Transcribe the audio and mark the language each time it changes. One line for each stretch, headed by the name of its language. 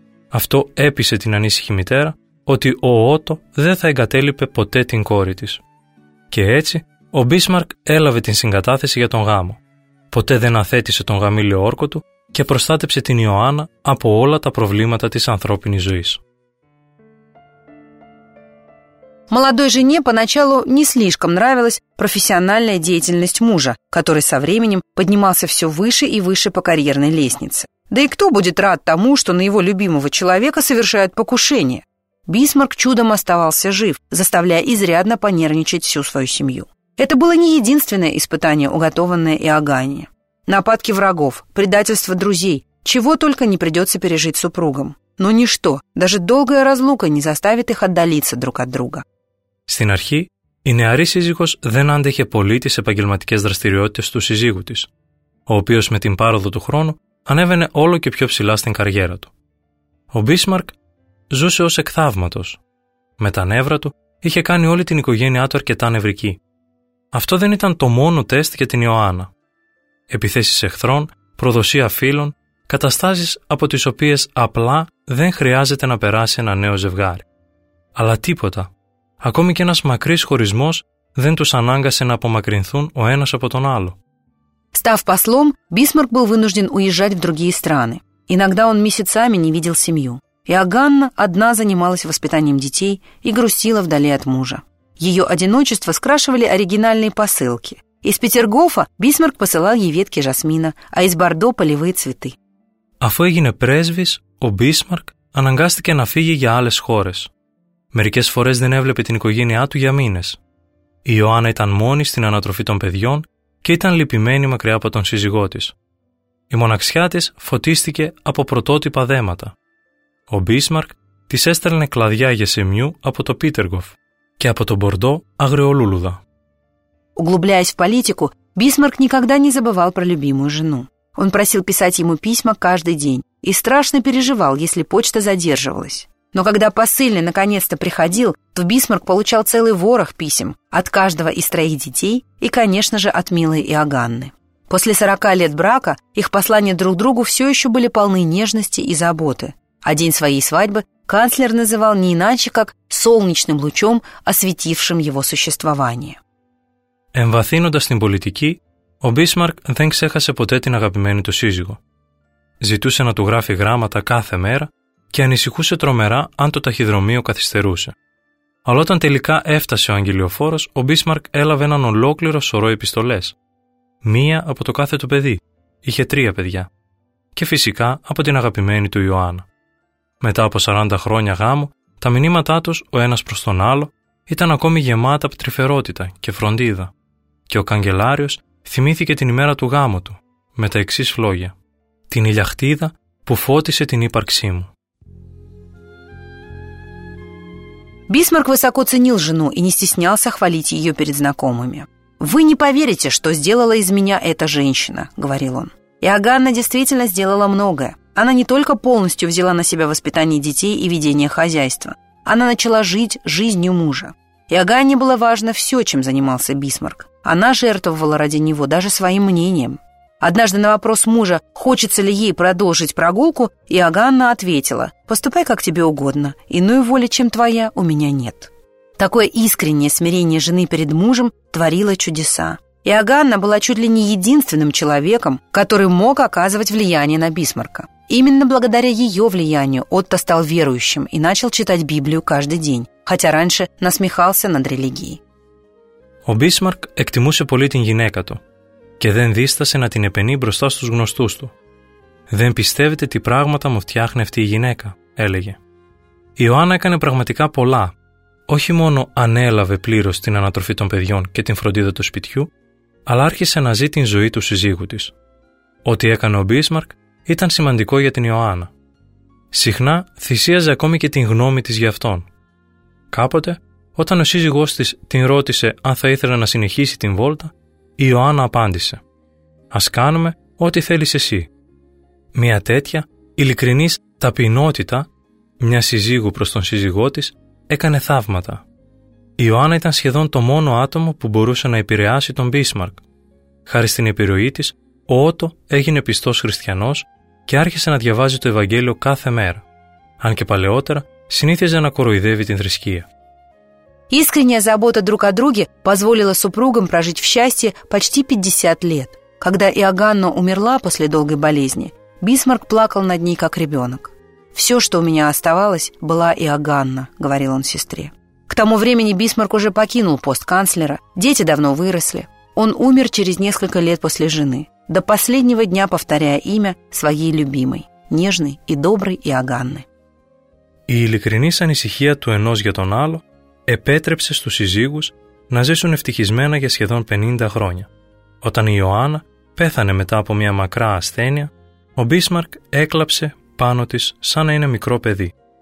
Greek: Αυτό έπεισε την ανήσυχη μητέρα ότι ο Ότο δεν θα εγκατέλειπε ποτέ την κόρη της. Και έτσι, ο Μπίσμαρκ έλαβε την συγκατάθεση για τον γάμο. Ποτέ δεν αθέτησε τον γαμήλιο όρκο του και προστάτεψε την Ιωάννα από όλα τα προβλήματα της ανθρώπινης ζωής.
Russian: Молодой жене поначалу не слишком нравилась профессиональная деятельность мужа, который со временем поднимался все выше и выше по карьерной лестнице. Да и кто будет рад тому, что на его любимого человека совершают покушение? Бисмарк чудом оставался жив, заставляя изрядно понервничать всю свою семью. Это было не единственное испытание, уготованное Иоганне. Нападки врагов, предательство друзей, чего только не придется пережить супругам. Но ничто, даже долгая разлука не заставит их отдалиться друг от друга.
Greek: Στην αρχή, η νεαρή σύζυγος δεν άντεχε πολύ τις επαγγελματικές δραστηριότητες του σύζυγου της, ο οποίος με την πάροδο του χρόνου ανέβαινε όλο και πιο ψηλά στην καριέρα του. Ο Μπίσμαρκ ζούσε ως εκθαύματος. Με τα νεύρα του είχε κάνει όλη την οικογένειά του αρκετά νευρική. Αυτό δεν ήταν το μόνο τεστ για την Ιωάννα. Επιθέσεις εχθρών, προδοσία φίλων, καταστάσεις από τις οποίες απλά δεν χρειάζεται να περάσει ένα νέο ζευγάρι. Αλλά τίποτα. Ακόμη και ένας μακρύς χωρισμός δεν τους ανάγκασε να απομακρυνθούν ο ένας από τον άλλο.
Russian: Став послом, Бисмарк был вынужден уезжать в другие страны. Иногда он месяцами не видел семью. Иоганна одна занималась воспитанием детей и грустила вдали от мужа. Ее одиночество скрашивали оригинальные посылки. Из Петергофа Бисмарк посылал ей ветки жасмина, а из Бордо полевые цветы.
Greek: Αφού έγινε πρέσβης, ο Бисмарк αναγκάστηκε να φύγει για άλλες χώρες. Μερικές φορές δεν έβλεπε την οικογένειά του για μήνες. Η Ιωάννα ήταν μόνη στην ανατροφή των παιδιών και ήταν λυπημένη μακριά από τον σύζυγό της. Η μοναξιά της φωτίστηκε από πρωτότυπα δέματα. Ο Μπίσμαρκ της έστελνε κλαδιά για σεμιού από το Πίτεργοφ και από τον Μπορντό αγριολούλουδα.
Russian: Углубляясь в политику, Бисмарк никогда не забывал про любимую жену. Он просил писать ему письма каждый день и страшно переживал, если почта задерживалась. Но когда посыльный наконец-то приходил, то Бисмарк получал целый ворох писем от каждого из троих детей и, конечно же, от милой Иоганны. После 40 лет брака их послания друг другу все еще были полны нежности и заботы. А день своей свадьбы канцлер называл не иначе, как солнечным лучом, осветившим его существование.
Greek: Εμβαθύνοντας την πολιτική, ο Бисмарк δεν ξέχασε ποτέ την αγαπημένη του σύζυγο. Ζητούσε να του γράφει γράμματα κάθε μέρα και ανησυχούσε τρομερά αν το ταχυδρομείο καθυστερούσε. Αλλά όταν τελικά έφτασε ο αγγελιοφόρος, ο Μπίσμαρκ έλαβε έναν ολόκληρο σωρό επιστολές. Μία από το κάθε του παιδί. Είχε τρία παιδιά. Και φυσικά από την αγαπημένη του Ιωάννα. Μετά από 40 χρόνια γάμου, τα μηνύματά τους, ο ένας προς τον άλλο, ήταν ακόμη γεμάτα από τρυφερότητα και φροντίδα. Και ο καγκελάριος θυμήθηκε την ημέρα του γάμου του, με τα εξής λόγια: «Την ηλιαχτίδα που φώτισε την ύπαρξή μου».
Russian: Бисмарк высоко ценил жену и не стеснялся хвалить ее перед знакомыми. «Вы не поверите, что сделала из меня эта женщина», — говорил он. Иоганна действительно сделала многое. Она не только полностью взяла на себя воспитание детей и ведение хозяйства. Она начала жить жизнью мужа. Иоганне было важно все, чем занимался Бисмарк. Она жертвовала ради него даже своим мнением. Однажды на вопрос мужа, хочется ли ей продолжить прогулку, Иоганна ответила: «Поступай, как тебе угодно, иной воли, чем твоя, у меня нет». Такое искреннее смирение жены перед мужем творило чудеса. Иоганна была чуть ли не единственным человеком, который мог оказывать влияние на Бисмарка. Именно благодаря ее влиянию Отто стал верующим и начал читать Библию каждый день, хотя раньше насмехался над религией.
Greek: Ο Бисмарк εκτιμούσε πολύ την γυναίκα του και δεν δίστασε να την επαινεί μπροστά στους γνωστούς του. «Δεν πιστεύετε τι πράγματα μου φτιάχνει αυτή η γυναίκα», έλεγε. Η Ιωάννα έκανε πραγματικά πολλά. Όχι μόνο ανέλαβε πλήρως την ανατροφή των παιδιών και την φροντίδα του σπιτιού, αλλά άρχισε να ζει την ζωή του συζύγου της. Ό,τι έκανε ο Μπίσμαρκ ήταν σημαντικό για την Ιωάννα. Συχνά θυσίαζε ακόμη και την γνώμη της για αυτόν. Κάποτε, όταν ο σύζυγός της την ρώτησε αν θα ήθελε να συνεχίσει την βόλτα, η Ιωάννα απάντησε: «Ας κάνουμε ό,τι θέλεις εσύ». Μια τέτοια ειλικρινής ταπεινότητα μια σύζυγου προς τον σύζυγό της έκανε θαύματα. Η Ιωάννα ήταν σχεδόν το μόνο άτομο που μπορούσε να επηρεάσει τον Μπίσμαρκ. Χάρη στην επιρροή της, Ο Ότο έγινε πιστός χριστιανός και άρχισε να διαβάζει το Ευαγγέλιο κάθε μέρα, αν και παλαιότερα συνήθιζε να κοροϊδεύει την θρησκεία.
Russian: Искренняя забота друг о друге позволила супругам прожить в счастье почти 50 лет. Когда Иоганна умерла после долгой болезни, Бисмарк плакал над ней, как ребенок. «Все, что у меня оставалось, была Иоганна», — говорил он сестре. К тому времени Бисмарк уже покинул пост канцлера, дети давно выросли. Он умер через несколько лет после жены, до последнего дня повторяя имя своей любимой, нежной и доброй Иоганны.
Greek: И ликренис анисихия ту энос я тон алло επέτρεψε στους συζύγους να ζήσουν ευτυχισμένα για σχεδόν 50 χρόνια. Όταν η Ιωάννα πέθανε μετά από μια μακρά ασθένεια, ο Μπίσμαρκ έκλαψε πάνω της σαν να είναι μικρό παιδί.